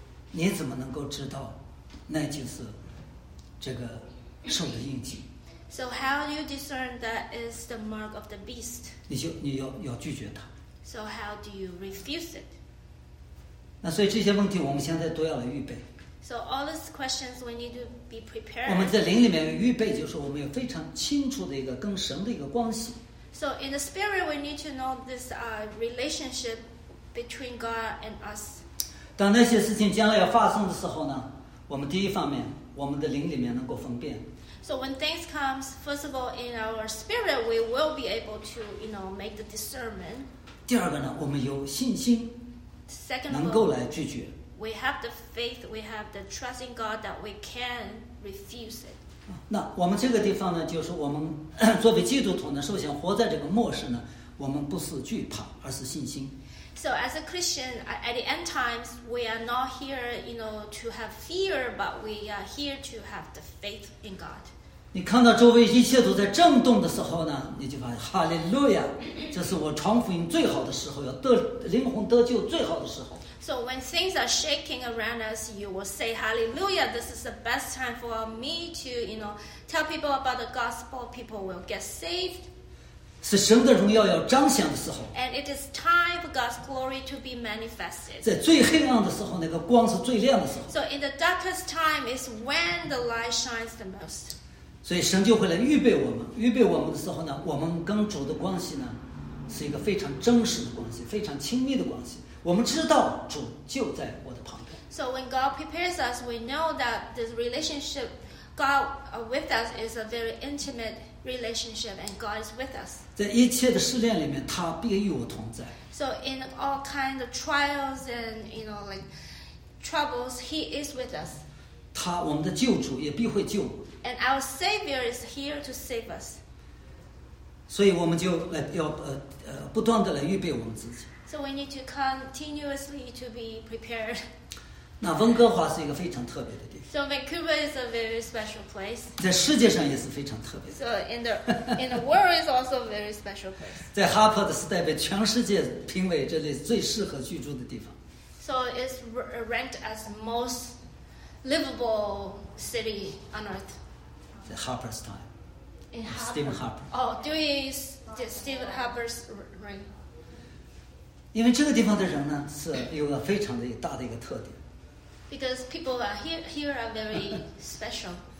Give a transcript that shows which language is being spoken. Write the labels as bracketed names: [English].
[Chinese] 你怎么能够知道那就是这个兽的印记？ [English] So how do you discern that is the mark of the beast? [Chinese] 你要拒绝它。 [English] So how do you refuse it? [Chinese] 那所以这些问题我们现在都要来预备。 [English] So all these questions we need to be prepared. [Chinese] 我们在灵里面预备，就是我们有非常清楚的一个跟神的一个关系。 [English] So in the spirit, we need to know this relationship between God and us. [Chinese] 当那些事情将来要发生的时候呢，我们第一方面，我们的灵里面能够分辨。 [English] So when things come, first of all, in our spirit, we will be able to, you know, make the discernment. [Chinese] 第二个呢，我们有信心，能够来拒绝。 [English] We have the faith, we have the trust in God that we can refuse it. [Chinese] 那我们这个地方呢，就是我们作为基督徒呢，首先活在这个末世呢，我们不是惧怕，而是信心。 [English] So as a Christian, at the end times, we are not here, you know, to have fear, but we are here to have the faith in God. [Chinese] 你看到周围一切都在震动的时候呢，你就发现哈利路亚，这是我传福音最好的时候，要得灵魂得救最好的时候。 [English] So when things are shaking around us, you will say, Hallelujah, this is the best time for me to, you know, tell people about the gospel, people will get saved. [Chinese] 是神的荣耀要彰显的时候。 [English] And it is time for God's glory to be manifested. [Chinese] 在最黑暗的时候，那个光是最亮的时候。 [English] So in the darkest time is when the light shines the most. [Chinese] 所以神就会来预备我们，预备我们的时候呢，我们跟主的关系呢，是一个非常真实的关系，非常亲密的关系。我们知道主就在我的旁边。 [English] So when God prepares us, we know that this relationship God with us is a very intimate. Relationship and God is with us. [Chinese] 在一切的试炼里面，他必与我同在。 [English] So in all kinds of trials and you know like troubles, He is with us. [Chinese] 他我们的救主也必会救我。 [English] And our Savior is here to save us. [Chinese] 所以我们就来要不断的来预备我们自己。 [English] So we need to continuously to be prepared. [Chinese] 那温哥华是一个非常特别的地方。 [English] So Vancouver is a very special place. [Chinese] 在世界上也是非常特别的。 [English] So in the world is also a very special place. [Chinese] 在哈珀的时代被全世界评为这里最适合居住的地方。 [English] So it's ranked as most livable city on earth. [Chinese] 在 [English] Harper's time. In Harper. Stephen Harper. Oh, Stephen Harper's reign. [Chinese] 因为这个地方的人呢是有个非常的大的一个特点。 [English] Because people here are very special.